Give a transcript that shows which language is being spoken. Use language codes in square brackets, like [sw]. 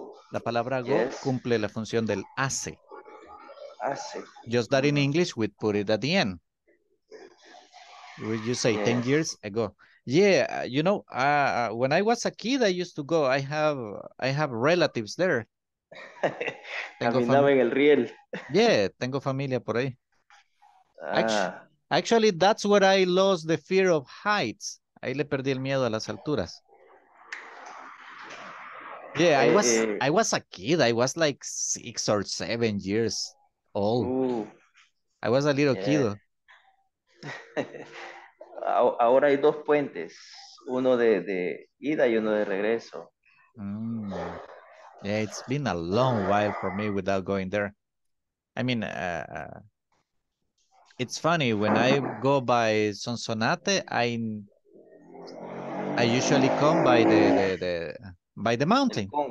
[es] La palabra ago, [en] yes, [es] cumple la función del hace. [en] Just that in English, we put it at the end. Would you say, yes, 10 years ago? Yeah, you know, when I was a kid, I used to go. I have relatives there. [es] Caminaba en el riel. Yeah, tengo familia por ahí. [en] Actually, that's where I lost the fear of heights. [es] Ahí le perdí el miedo a las alturas. [en] Yeah, I was a kid. I was like 6 or 7 years old. Ooh, I was a little, yeah, kid. [es] Ahora hay dos puentes, uno de ida y uno de regreso. [en] Yeah, it's been a long while for me without going there. I mean, it's funny, when I go by Sonsonate, I usually come by the mountain.